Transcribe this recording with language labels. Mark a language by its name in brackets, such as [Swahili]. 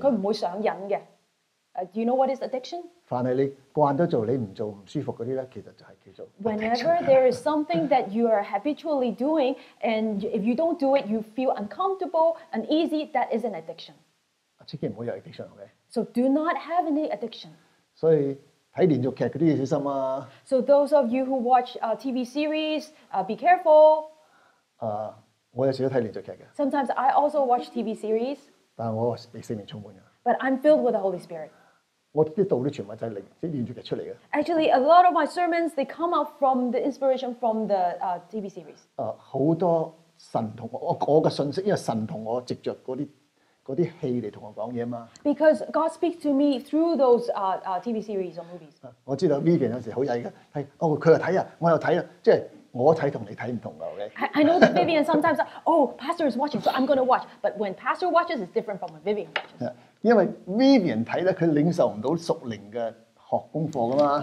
[Cantonese] 佢唔會上癮嘅。 [English] Do you know what is addiction？ [Cantonese] 凡係你慣咗做，你唔做唔舒服嗰啲咧，其實就係叫做。 [English] Whenever there is something that you are habitually doing, and if you don't do it, you feel uncomfortable, uneasy. That is an addiction. [Cantonese] 千祈唔好有 addiction， OK？ [English] So do not have any addiction. [Cantonese] 所以睇連續劇嗰啲要小心啊。 [English] So those of you who watch TV series, be careful. [Cantonese] 我有時都睇連續劇嘅。 [English] Sometimes I also watch TV series. [Cantonese] 但我被聖靈充滿嘅。 [English] But I'm filled with the Holy Spirit. [Cantonese] 我啲道理全部都係靈，即係連續劇出嚟嘅。 [English] Actually, a lot of my sermons they come out from the inspiration from the TV series. [Cantonese] 好多神同我嘅信息，因為神同我藉著嗰啲戲嚟同我講嘢嘛。 [English] Because God speaks to me through those TV series or movies. [Cantonese] 我知道 Vivian 有時好曳嘅，係哦佢又睇啊，我又睇啊，即係。我睇同你睇唔同噶 ，OK？ [English] I know that Vivian sometimes, oh, Pastor is watching, so I'm going to watch. But when Pastor watches, it's different from when Vivian watches. [Cantonese] 因為 Vivian 睇咧，佢領受唔到屬靈嘅學功課噶嘛。